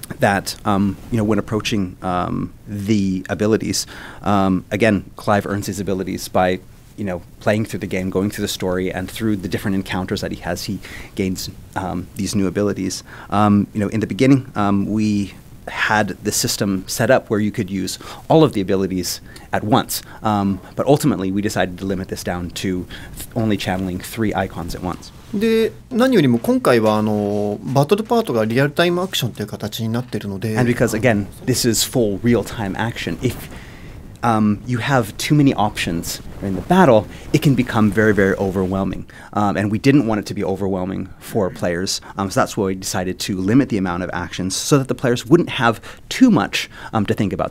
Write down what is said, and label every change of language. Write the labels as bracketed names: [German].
[English] That, you know, when approaching the abilities, again, Clive earns his abilities by, you know, playing through the game, going through the story, and through the different encounters that he has, he gains these new abilities. You know, in the beginning, we had the system set up where you could use all of the abilities at once. But ultimately, we decided to limit this down to only channeling three icons at once. [Japanese] で、何よりも今回はあのバトルパートがリアルタイムアクションという形になっているので、 [English] And because, again, this is full real-time action. If you have too many options in the battle, it can become very, very overwhelming. And we didn't want it to be overwhelming for players, so that's why we decided to limit the amount of actions so that the players wouldn't have too much to think about.